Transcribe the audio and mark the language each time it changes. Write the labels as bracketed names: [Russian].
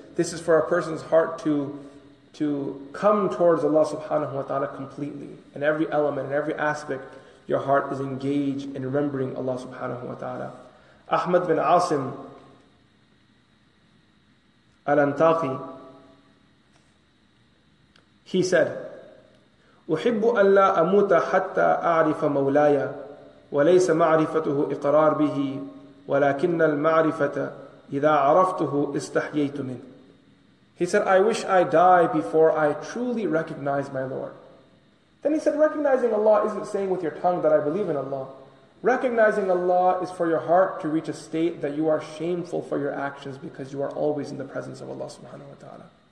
[English] This is for a person's heart to come towards Allah subhanahu wa ta'ala completely. In every element, in every aspect, your heart is engaged in remembering Allah subhanahu wa ta'ala. Ahmad bin Asim al-Antaqi, he said, [Arabic] أحب أن لا أموت حتى أعرف مولاي وليس معرفته إقرار به ولكن المعرفة إذا عرفته استحييت منه. [English] He said, I wish I die before I truly recognize my Lord. Then he said, recognizing Allah isn't saying with your tongue that I believe in Allah. Recognizing Allah is for your heart to reach a state that you are shameful for your actions because you are always in the presence of Allah subhanahu wa ta'ala.